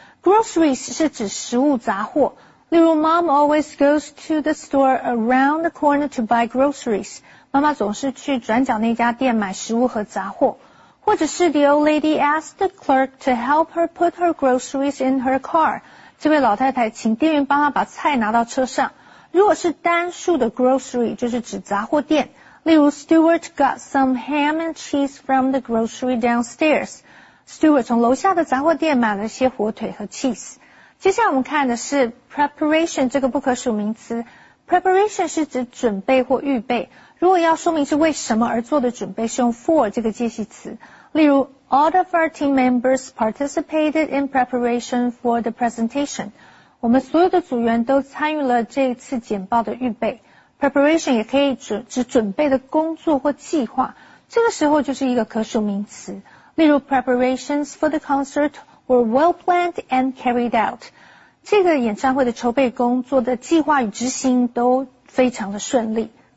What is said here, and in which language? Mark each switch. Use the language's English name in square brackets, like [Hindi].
[Chinese] Groceries 是指食物杂货。例如 [English] ,Mom always goes to the store around the corner to buy groceries. [Chinese] 妈妈总是去转角那家店买食物和杂货。或者是 [English] the old lady asked the clerk to help her put her groceries in her car. [Chinese] 这位老太太请店员帮她把菜拿到车上。如果是单数的 grocery, 就是指杂货店。例如 [English] Stewart got some ham and cheese from the grocery downstairs. [Chinese] Stewart 从楼下的杂货店买了些火腿和 cheese。接下来我们看的是 preparation 这个不可数名词。 preparation 是指准备或预备。如果要说明是为什么而做的准备是用 for 这个介系词。例如 [English] ,all of our team members participated in preparation for the presentation. [Chinese] 我们所有的组员都参与了这一次简报的预备。 preparation 也可以指准备的工作或计划。这个时候就是一个可数名词。例如 [English] preparations for the concert were well planned and carried out. [Chinese] 这个演唱会的筹备工作的计划与执行都非常的顺利。